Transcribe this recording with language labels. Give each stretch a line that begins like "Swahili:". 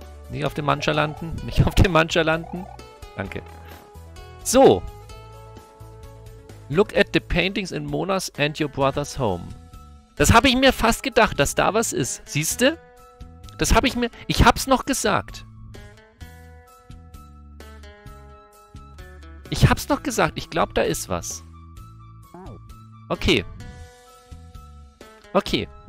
German: Nicht auf dem Mancha landen, nicht auf dem Mancha landen. Danke. So.
English: Look at the paintings in Mona's and your brother's home.
German: Das habe ich mir fast gedacht, dass da was ist. Siehst du? Das habe ich mir... Ich hab's noch gesagt. Ich hab's noch gesagt. Ich glaube, da ist was. Okay. Okay.